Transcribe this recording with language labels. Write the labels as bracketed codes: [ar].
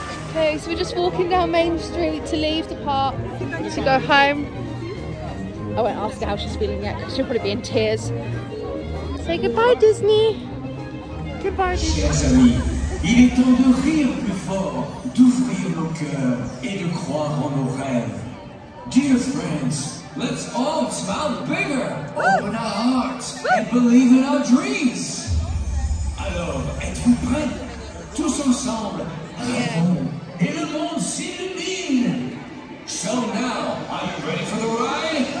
[en] Okay, so we're just walking down Main Street to leave the park to go home. I won't ask her how she's feeling yet because she'll probably be in tears. Say goodbye, Disney. Goodbye, Disney. [fr] Chers amis, il est temps de rire plus fort, d'ouvrir nos cœurs et de croire en nos rêves. [en] Dear friends, let's all smile bigger, open our hearts, and believe in our dreams. [fr] Alors, êtes-vous prêts? Tous ensemble, rêvons, et le monde s'illumine. [en] So now, are you ready for the ride?